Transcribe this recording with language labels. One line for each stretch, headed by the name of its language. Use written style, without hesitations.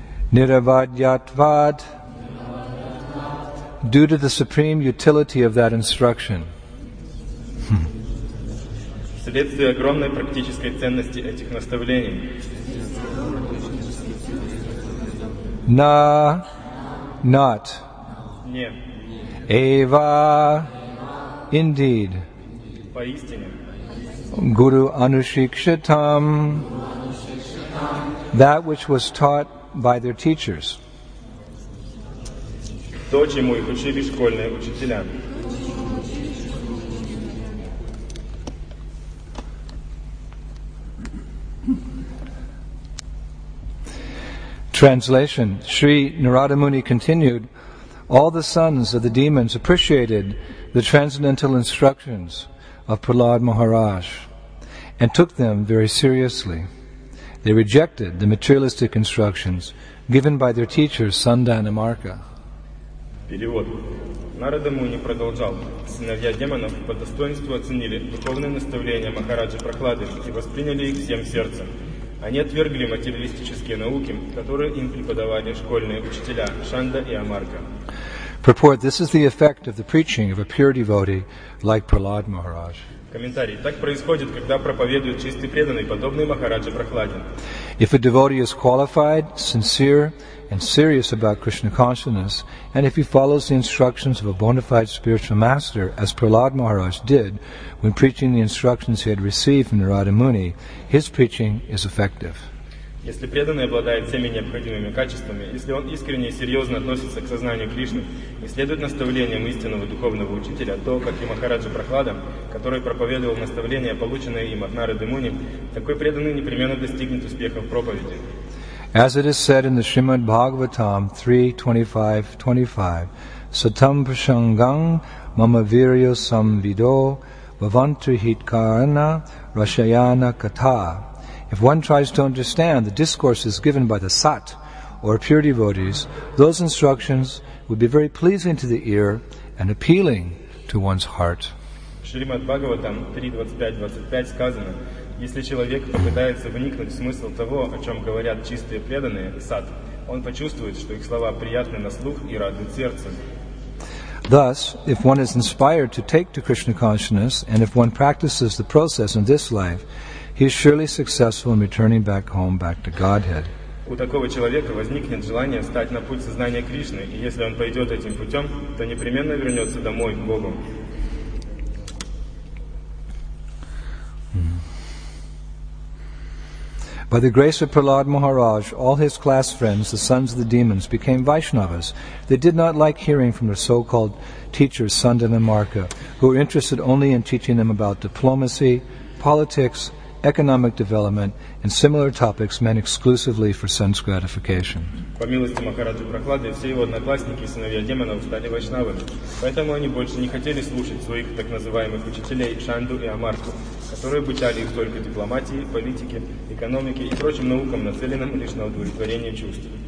English: Niravadyatvad, due to the supreme utility of that instruction.
Russian: Вследствие огромной практической ценности этих наставлений.
English: Na, not.
Russian: Не.
English: Eva, indeed.
Russian: Поистине.
English: Guru Anushikshatam, that which was taught by their teachers.
Russian: То, чему их учили школьные учителя.
English: Translation, Sri Narada Muni continued, all the sons of the demons appreciated the transcendental instructions of Prahlad Maharaj and took them very seriously. They rejected the materialistic instructions given by their teacher Sandana Marka.
Russian: Перевод. Нарада Муни продолжал. Сыновья демонов по достоинству оценили духовные наставления Махараджи Прохлады и восприняли их всем сердцем. Они отвергли материалистические науки, которые им преподавали школьные учителя Шанда и Амарка.
English: Purport, this is the effect of the preaching of a pure devotee like Prahlad Maharaj.
Russian: Комментарий. Так происходит, когда проповедует чистый преданный, подобный Махараджи Прохладе.
English: If a devotee is qualified, sincere, and serious about Krishna consciousness, and if he follows the instructions of a bona fide spiritual master, as Prahlad Maharaj did when preaching the instructions he had received from Narada Muni, his preaching is effective.
Russian: Если преданный обладает всеми необходимыми качествами, если он искренне и серьезно относится к сознанию Кришны и следует наставлениям истинного духовного учителя, то, как и Махараджа Прохлада, который проповедовал наставления, полученные им от Нарады Муни, такой преданный непременно достигнет успеха в проповеди.
English: As it is said in the Srimad Bhagavatam 3.25.25,
Sanskrit: Satam Prashangam Mamavirya Samvido Vavantri Hitkarana Rashayana Katha.
English: If one tries to understand the discourses given by the sat, or pure devotees, those instructions would be very pleasing to the ear and appealing to one's heart.
Russian: Шримад Бхагаватам 3.25.25 сказано, если человек попытается вникнуть в смысл того, о чем говорят чистые преданные, сат, он почувствует, что их слова приятны на слух и радуют сердце.
English: Thus, if one is inspired to take to Krishna consciousness, and if one practices the process in this life, he is surely successful in returning back home, back to Godhead.
Russian: У такого человека возникнет желание встать на путь сознания Кришны, и если он пойдет этим путем, то непременно вернется домой к Богу.
English: By the grace of Prahlad Maharaj, all his class friends, the sons of the demons, became Vaishnavas. They did not like hearing from their so-called teachers, Sandana Marka, who were interested only in teaching them about diplomacy, politics, economic development and similar topics meant exclusively for sense gratification.
Russian: По милости Махараджи Прохлады, все его одноклассники, сыновья демонов, стали вайшнавами. Поэтому они больше не хотели слушать своих так называемых учителей Шанду и Амарку, которые обучали их только дипломатии, политике, экономике и прочим наукам, нацеленным лишь на удовлетворение чувств.